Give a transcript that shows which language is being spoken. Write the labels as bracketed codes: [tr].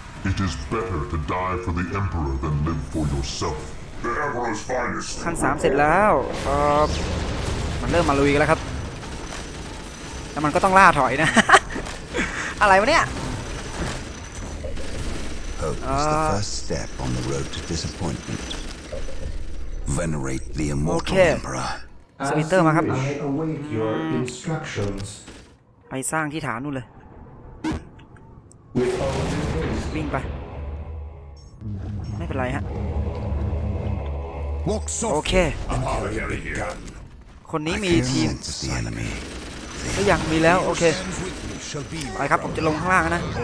[en] It is better to die for the emperor than live for yourself. The emperor's finest. [th] ขั้นสามเสร็จแล้วมันเริ่มมาลุยกันแล้วครับแล้วมันก็ต้องล่าถอยนะ อะไรวะเนี่ย [en] Hope is the first step on the road to disappointment. Venerate the immortal emperor. [th] สวิตเตอร์มาครับ [en] I await your instructions. [th] ไปสร้างที่ฐานนู่นเลย [en] With all due haste. [th] วิ่งไปไม่เป็นไรฮะโอเคคนนี้มีทีมก็ยังมีแล้วโอเคไปครับผมจะลงข้างล่างนะ